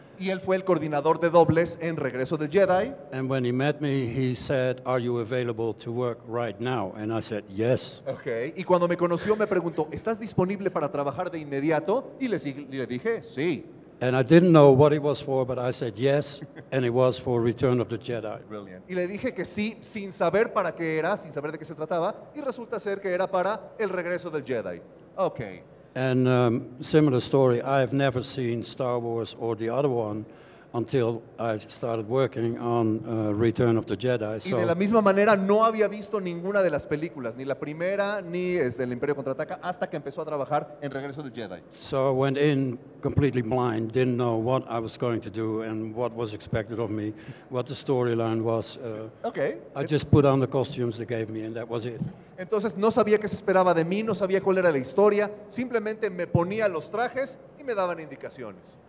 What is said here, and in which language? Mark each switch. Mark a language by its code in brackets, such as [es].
[es] Y él fue el coordinador de dobles en Regreso del Jedi. [en] And when he met me, he said, "Are you available to work right now?" And I said, "Yes." Okay. [es] Y cuando me conoció, me preguntó, "¿Estás disponible para trabajar de inmediato?" Y le dije, "Sí." [en] And I didn't know what it was for, but I said yes, and it was for Return of the Jedi. Brilliant. [es] Y le dije que sí, sin saber para qué era, sin saber de qué se trataba, y resulta ser que era para El Regreso del Jedi. [en] Okay. And similar story, I have never seen Star Wars or the other one until I started working on Return of the Jedi. [es] Y de la misma manera, no había visto ninguna de las películas, ni la primera, ni El Imperio Contraataca, hasta que empezó a trabajar en Regreso del Jedi. [en] So I went in completely blind, didn't know what I was going to do and what was expected of me, what the storyline was. Okay. I just put on the costumes they gave me and that was it. [es] Entonces, no sabía qué se esperaba de mí, no sabía cuál era la historia, simplemente me ponía los trajes y me daban indicaciones.